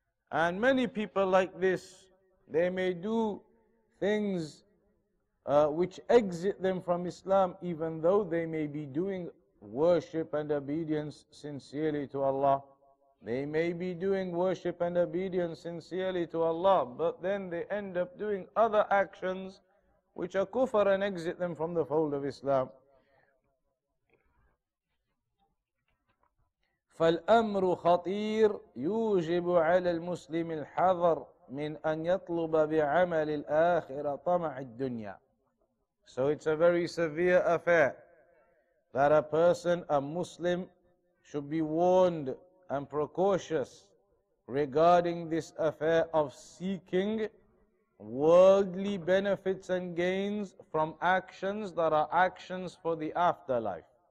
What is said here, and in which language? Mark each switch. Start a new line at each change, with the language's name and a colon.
English: And many people like this, they may do things which exit them from Islam, even though they may be doing worship and obedience sincerely to Allah. They may be doing worship and obedience sincerely to Allah, but then they end up doing other actions which are kufr and exit them from the fold of Islam.
Arabic: فالأمر خطير يوجب على المسلم الحذر من أن يطلب بعمل الآخرة طمع الدنيا.
English: So it's a very severe affair that a person, a Muslim, should be warned and precautious regarding this affair of seeking worldly benefits and gains from actions that are actions for the afterlife.